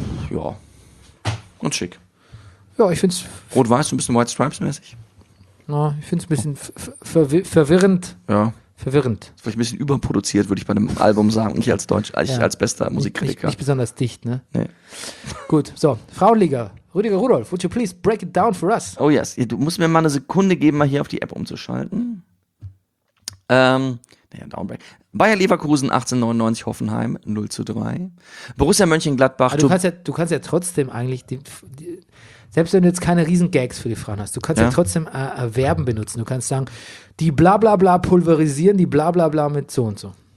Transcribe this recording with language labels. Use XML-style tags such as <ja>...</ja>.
<de>Ja. Und schick. Ja, ich finde es. Rot-Weiß, ein bisschen White Stripes-mäßig. Na, ich finde es ein bisschen verwirrend. Ja. Verwirrend. Vielleicht ein bisschen überproduziert, würde ich bei einem Album sagen. Ich als Deutsch, als bester Musikkritiker. Nicht besonders dicht, ne? Nee. Gut, so. Frauenliga.</de> <en>Rüdiger Rudolf, would you please break it down for us? Oh yes,</en> <de>du musst mir mal eine Sekunde geben, mal hier auf die App umzuschalten. Downbreak. Bayer Leverkusen 1899 Hoffenheim 0-3. Borussia Mönchengladbach. Du kannst ja, trotzdem eigentlich, selbst wenn du jetzt keine riesen Gags für die Frauen hast, du kannst ja trotzdem Verben benutzen. Du kannst sagen, die bla bla bla pulverisieren, die bla bla bla mit so und so.</de>